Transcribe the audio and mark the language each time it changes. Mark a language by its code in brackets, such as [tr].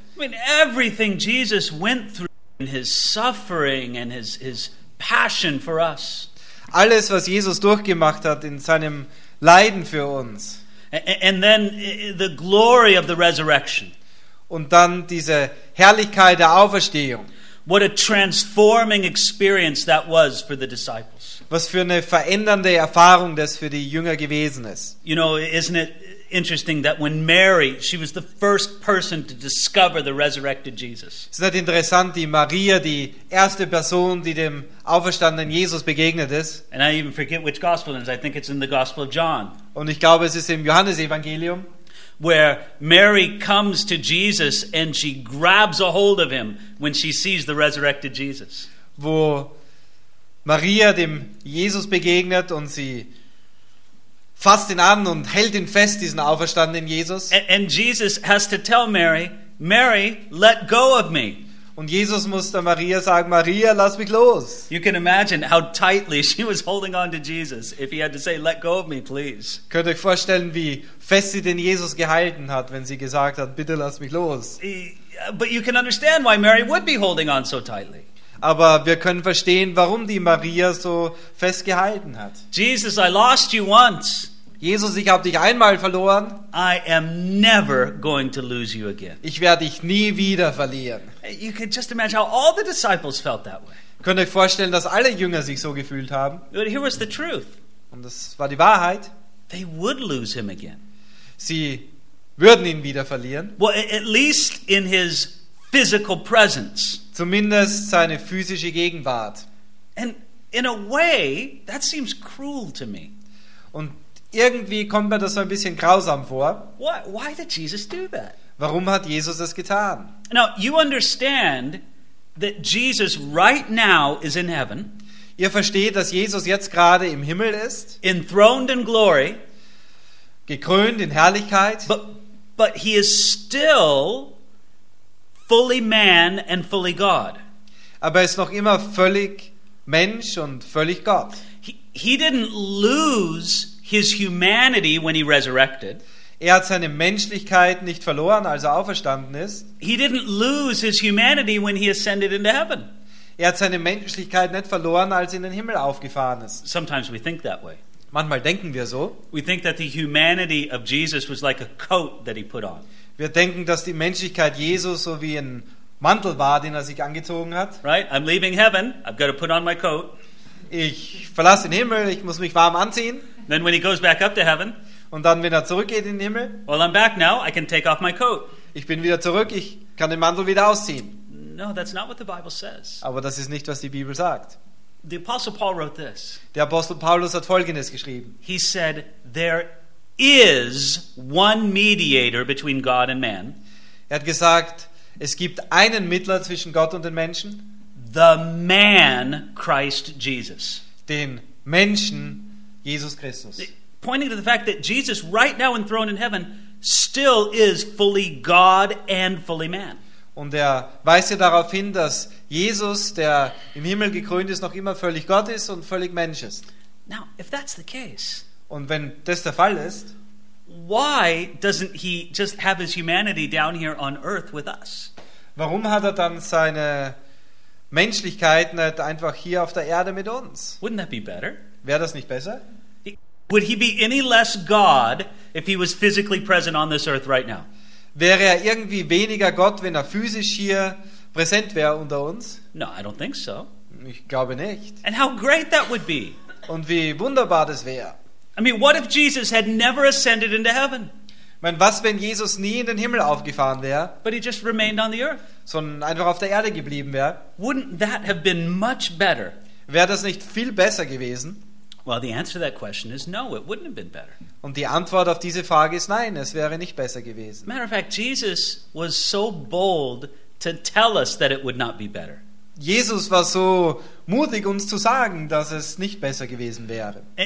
[en] I mean, everything Jesus went through in his suffering and his passion for us. [de] Alles, was Jesus durchgemacht hat in seinem Leiden für uns. [en] And then the glory of the resurrection. [de] Und dann diese Herrlichkeit der Auferstehung. [en] What a transforming experience that was for the disciples. [de] Was für eine verändernde Erfahrung das für die Jünger gewesen ist. [en] You know, isn't it interesting that when Mary, she was the first person to discover the resurrected Jesus. [de] Es ist interessant, die Maria, die erste Person, die dem auferstandenen Jesus begegnet ist. [en] And I even forget which gospel it is. I think it's in the Gospel of John. [de] Und ich glaube, es ist im Johannesevangelium, [en] where Mary comes to Jesus and she grabs a hold of him when she sees the resurrected Jesus. [de] Wo Maria dem Jesus begegnet und sie fasst ihn an und hält ihn fest, diesen auferstandenen Jesus. [en] And Jesus has to tell Mary, Mary, let go of me. [de] Und Jesus musste Maria sagen, Maria, lass mich los. [en] You can imagine how tightly she was holding on to Jesus if he had to say, let go of me, please. [de] Könnt ihr euch vorstellen, wie fest sie den Jesus gehalten hat, wenn sie gesagt hat, bitte lass mich los. [en] But you can understand why Mary would be holding on so tightly. [de] Aber wir können verstehen, warum die Maria so fest gehalten hat. [en] Jesus, I lost you once. [de] Jesus, ich habe dich einmal verloren. [en] I am never going to lose you again. [de] Ich werde dich nie wieder verlieren. [en] You can just imagine how all the disciples felt that way. [de] Könnt ihr euch vorstellen, dass alle Jünger sich so gefühlt haben? [en] But here was the truth. [de] Und das war die Wahrheit. [en] They would lose him again. [de] Sie würden ihn wieder verlieren. [en] Well, at least in his physical presence. [de] Zumindest seine physische Gegenwart. [en] And in a way, that seems cruel to me. [de] Und irgendwie kommt mir das so ein bisschen grausam vor. [en] Why did Jesus do that? [de] Warum hat Jesus das getan? [en] Now you understand that Jesus right now is in heaven. [de] Ihr versteht, dass Jesus jetzt gerade im Himmel ist. [en] Enthroned in glory. [de] Gekrönt in Herrlichkeit. [en] But he is still fully man and fully God. [de] Aber er ist noch immer völlig Mensch und völlig Gott. [en] He didn't lose his humanity when he resurrected. [de] Er hat seine Menschlichkeit nicht verloren, als er auferstanden ist. [en] He didn't lose his humanity when he ascended into heaven. [de] Er hat seine Menschlichkeit nicht verloren, als er in den Himmel aufgefahren ist. [en] Sometimes we think that way. [de] Manchmal denken wir so. [en] We think that the humanity of Jesus was like a coat that he put on. [de] Wir denken, dass die Menschlichkeit Jesus so wie ein Mantel war, den er sich angezogen hat. [en] Right? I'm leaving heaven. I've got to put on my coat. [de] Ich verlasse den Himmel. Ich muss mich warm anziehen. [en] Then when he goes back up to heaven, [de] und dann wenn er zurückgeht in den Himmel, [en] well I'm back now, I can take off my coat. [de] Ich bin wieder zurück, ich kann den Mantel wieder ausziehen. [en] No, that's not what the Bible says. [de] Aber das ist nicht, was die Bibel sagt. [en] The Apostle Paul wrote this. [de] Der Apostel Paulus hat Folgendes geschrieben. [en] He said there is one mediator between God and man. [de] Er hat gesagt, es gibt einen Mittler zwischen Gott und den Menschen. [en] The man Christ Jesus. [de] Den Menschen Jesus Christus. [en] Pointing to the fact that Jesus right now enthroned in heaven still is fully God and fully man. [de] Und er weist ja darauf hin, dass Jesus, der im Himmel gekrönt ist, noch immer völlig Gott ist und völlig Mensch ist. [en] Now, if that's the case, [de] und wenn das der Fall ist, [en] why doesn't he just have his humanity down here on earth with us? [de] Warum hat er dann seine Menschlichkeit nicht einfach hier auf der Erde mit uns? [en] Wouldn't that be better? [de] Wäre das nicht besser? [en] Would he be any less God if he was physically present on this earth right now? [de] Wäre er irgendwie weniger Gott, wenn er physisch hier präsent wäre unter uns? [en] No, I don't think so. [de] Ich glaube nicht. [en] And how great that would be. [de] Und wie wunderbar das wäre. [en] I mean, what if Jesus had never ascended into heaven? [de] Ich meine, was, wenn Jesus nie in den Himmel aufgefahren wäre? [en] But he just remained on the earth. [de] Sondern einfach auf der Erde geblieben wäre? [en] Wouldn't that have been much better? [de] Wäre das nicht viel besser gewesen? [en] Well, the answer to that question is no, it wouldn't have been better. [de] Und die Antwort auf diese Frage ist nein, es wäre nicht besser gewesen. [en] Matter of fact, Jesus was so bold to tell us that it would not be better. [de] Jesus war so mutig, uns zu sagen, dass es nicht besser gewesen wäre.